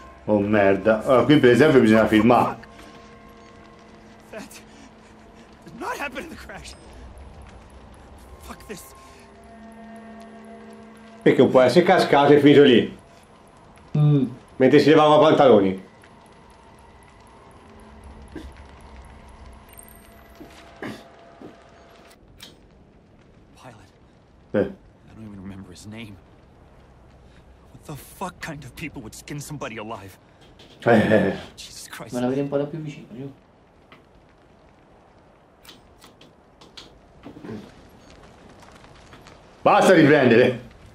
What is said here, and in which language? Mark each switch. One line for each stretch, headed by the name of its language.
Italian: Oh merda, allora, qui per esempio bisogna filmare.
English: Not happen in the crash. Fuck this.
Italian: Perché può essere cascato e finito lì. Mentre si levava i pantaloni.
English: Pilot. I don't even remember his name. What the fuck kind of people would skin somebody alive? Jesus Christ.
Italian: Ma la vedi un po' da più vicino, giù. Basta riprendere.